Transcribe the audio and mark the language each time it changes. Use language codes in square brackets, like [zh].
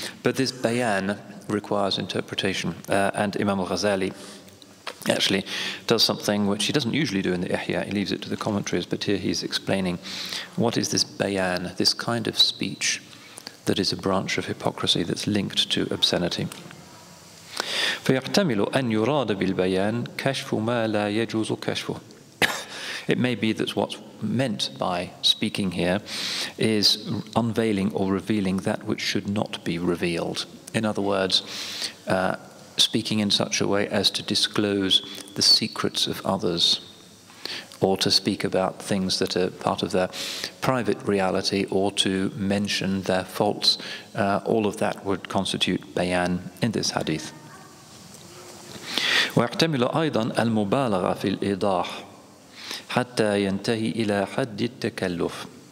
[en] But this bayan requires interpretation. And Imam Ghazali actually does something which he doesn't usually do in the Ihya, he leaves it to the commentaries, but here he's explaining what is this bayan, this kind of speech that is a branch of hypocrisy that's linked to obscenity. [ar] فيحتمل أن يراد بالبيان كشف ما لا يجوز كشفه. [en] It may be that what's meant by speaking here is unveiling or revealing that which should not be revealed. In other words, speaking in such a way as to disclose the secrets of others, or to speak about things that are part of their private reality, or to mention their faults. All of that would constitute bayan in this hadith. [ar] ويحتمل أيضا المبالغة في الإيضاح حتى ينتهي إلى حد التكلف.